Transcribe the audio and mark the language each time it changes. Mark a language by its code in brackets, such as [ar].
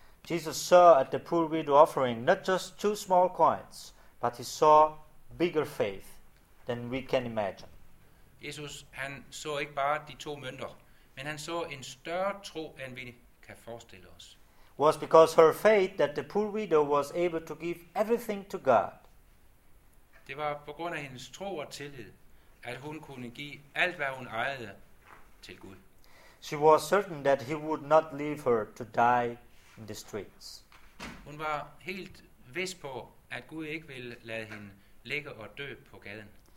[en] Jesus saw at the poor widow offering not just two small coins, but he saw bigger faith than we can imagine. [da] Jesus, han så ikke bare de to mønter, men han så en større tro end vi kan forestille os. [en] Was because her faith that the poor widow was able to give everything to God. [da] Det var på grund af hendes tro og tillid, at hun kunne give alt hvad hun ejede til Gud. [en] She was certain that he would not leave her to die in the streets. [da] Hun var helt vist på, at Gud ikke ville lade hende ligge og dø på gaden.